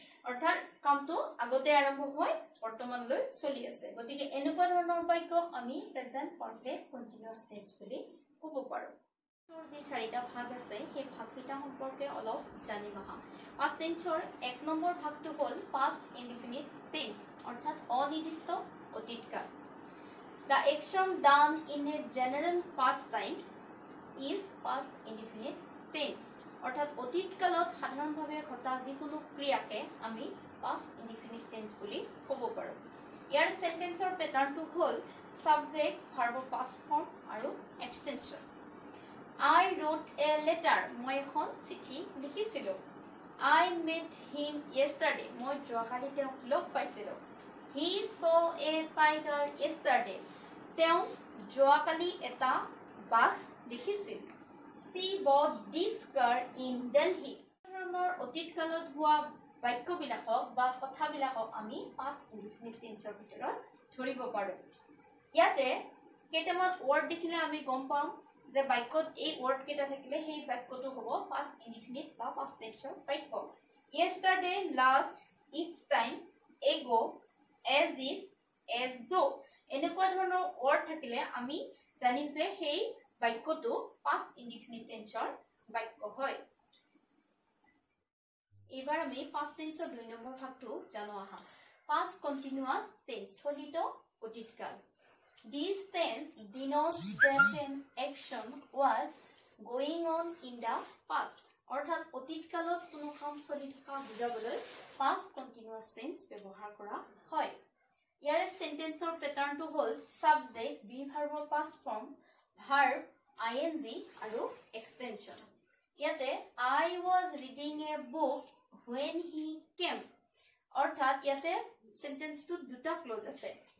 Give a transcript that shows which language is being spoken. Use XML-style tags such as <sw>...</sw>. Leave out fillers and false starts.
<as>অৰ্থাৎ কামটো আগতে আৰম্ভ হয় বৰ্তমানলৈ চলি আছে গতিকে এনেকুৱা ধৰণৰ বাক্য আমি প্ৰেজেণ্ট পাৰ্ফেক্ট কণ্টিনিউয়াস টেন্স বুলি ক'ব পাৰোঁ টেন্সৰ যি চাৰিটা ভাগ আছে সেই ভাগকেইটা সম্পৰ্কে অলপ জানিম আহা পাষ্ট টেন্সৰ এক নম্বৰ ভাগটো হ'ল পাষ্ট ইনডিফিনিট টেন্স অৰ্থাৎ অনিৰ্দিষ্ট অতীত কাল</as> <en>The action done in a general past time is past indefinite tense.</en> <as>অর্থাৎ অতীত কালত সাধারণভাৱে ঘটা যিকোনো ক্ৰিয়াকে আমি past indefinite tense বুলি ক'ব পাৰো। ইয়াৰ sentenceৰ পেটাৰ্নটো হ'ল subject, verb past form আৰু extension.</as> <en>I wrote a letter.</en> <as>মই এখন চিঠি লিখিছিলোঁ।</as> <en>I met him yesterday.</en> <as>মই যোৱাকালি তেওঁক লগ পাইছিলোঁ।</as> <en>He saw a tiger yesterday.</en> <as>তেওঁ যোৱাকালি এটা বাঘ দেখিছিল।</as> <en>She bought this car in Delhi.</en> <as>ধৰণৰ অতীত কালত হোৱা বাক্যবিলাকক বা কথাবিলাকক আমি past indefinite tenseৰ ভিতৰত ধৰিব পাৰোঁ। ইয়াতে কেইটামান ৱৰ্ড দেখিলে আমি গম পাওঁ যে বাক্যত এই ৱৰ্ডকেইটা থাকিলে সেই বাক্যটো হ'ব past indefinite বা past tenseৰ বাক্য। Yesterday, last, each time, ago, as if, as though এনেকুৱা ধৰণৰ ৱৰ্ড থাকিলে আমি জানিম যে সেই বাক্যটো past indefinite tenseৰ বাক্য হয়। এইবাৰ আমি past tenseৰ দুই নম্বৰ ভাগটো জানো আহা। Past continuous tense চলিত অতীত কাল।</as> <en>This tense denotes that an action was going on in the past।</en> <as>অৰ্থাৎ অতীত কালত কোনো কাম চলি থকা বুজাবলৈ past continuous tense ব্যৱহাৰ কৰা হয়। ইয়াৰে sentenceৰ পেটাৰ্ণটো হ'ল subject, be verb past form, verb ing আৰু extension।</as> <en>ইয়াতে I was reading a book when he came।</en> <as>অৰ্থাৎ ইয়াতে sentenceটো দুটা ক্লজ আছে।</as>